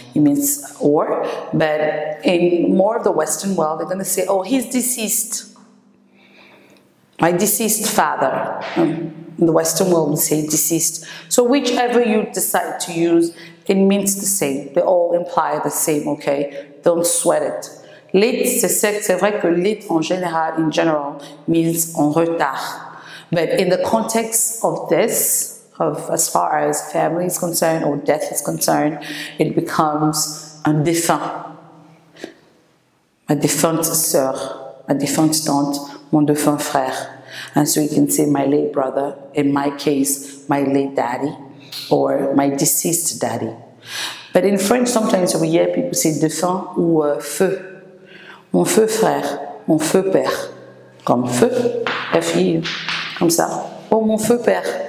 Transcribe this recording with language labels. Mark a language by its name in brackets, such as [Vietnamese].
[English] It means or, but in more of the Western world, they're gonna say, oh, he's deceased. My deceased father. In the Western world, we say deceased. So whichever you decide to use, it means the same. They all imply the same, okay? Don't sweat it. [French] Late, c'est vrai que late en général, [English] in general, means [French] en retard. [English] But in the context of this, of as far as family is concerned or death is concerned, it becomes un défunt. [French] Ma défunte sœur, ma défunte tante, mon défunt frère. [English] And so you can say my late brother, in my case, my late daddy. Or my deceased daddy. But in French, sometimes we hear people say défunt ou feu. [French] Mon feu frère, mon feu père. Comme feu, F-I-U, comme ça. Oh, mon feu père.